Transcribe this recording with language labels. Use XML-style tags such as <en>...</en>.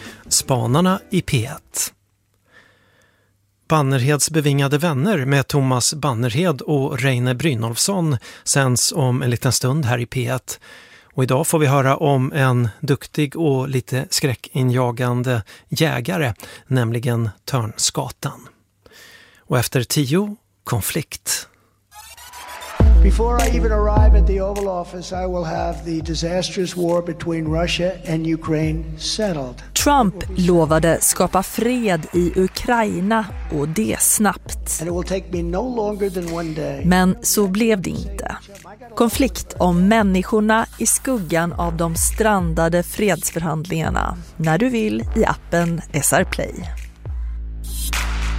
<sv>Spanarna i P1. Bannerheds bevingade vänner med Thomas Bannerhed och Reine Brynolfsson sänds om en liten stund här i P1. Och idag får vi höra om en duktig och lite skräckinjagande jägare, nämligen Törnskatan. Och efter 10, konflikt.</sv> <en>Before I even arrive at the Oval Office, I will have the disastrous war between Russia and Ukraine settled.</en> <sv>Trump lovade skapa fred i Ukraina, och det snabbt.</sv> <en>And it will take me no longer than one day.</en> <sv>Men så blev det inte. Konflikt om människorna i skuggan av de strandade fredsförhandlingarna. När du vill i appen SR Play.</sv> <en>Thank you.</en>